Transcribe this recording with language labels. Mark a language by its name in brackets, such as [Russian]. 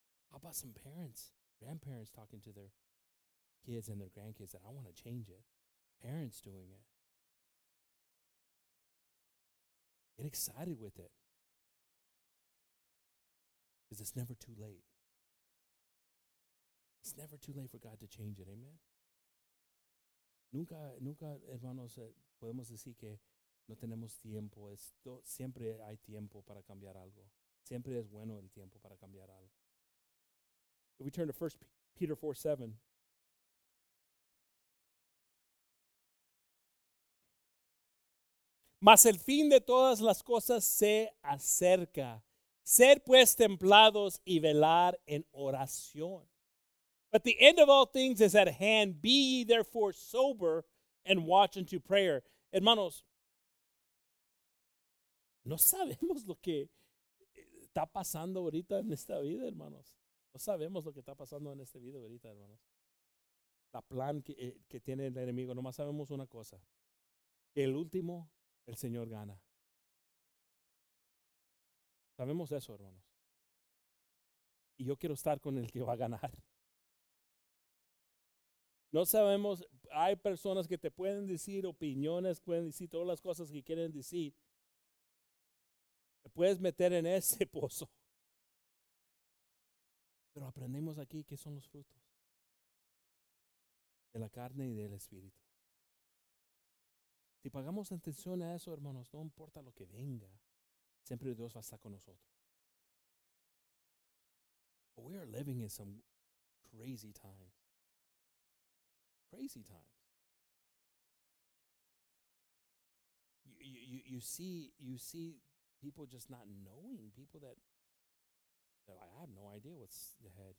[English] How about some parents, grandparents talking to their kids and their grandkids that I want to change it. Parents doing it. Get excited with it. Because it's never too late. It's never too late for God to change it. Amen. [Spanish] Nunca, hermanos, podemos decir que no tenemos tiempo. Siempre hay tiempo para cambiar algo. Siempre es bueno el tiempo para cambiar algo. [English] If we turn to 1 Peter 4:7. [Spanish] Mas el fin de todas las cosas se acerca. Sed pues templados y velar en oración. [English] But the end of all things is at hand. Be ye therefore sober and watch unto prayer. [Spanish] Hermanos, no sabemos lo que está pasando ahorita en esta vida, hermanos. No sabemos lo que está pasando en esta vida ahorita, hermanos. La plan que tiene el enemigo. Nomás sabemos una cosa. Que el último, el Señor gana. Sabemos eso, hermanos. Y yo quiero estar con el que va a ganar. No sabemos, hay personas que te pueden decir opiniones, pueden decir todas las cosas que quieren decir. Te puedes meter en ese pozo. Pero aprendemos aquí qué son los frutos de la carne y del espíritu. Si pagamos atención a eso, hermanos, no importa lo que venga, siempre Dios va a estar con nosotros. [English] But we are living in some crazy times. Crazy times. You see people just not knowing. People that they're like, I have no idea what's ahead.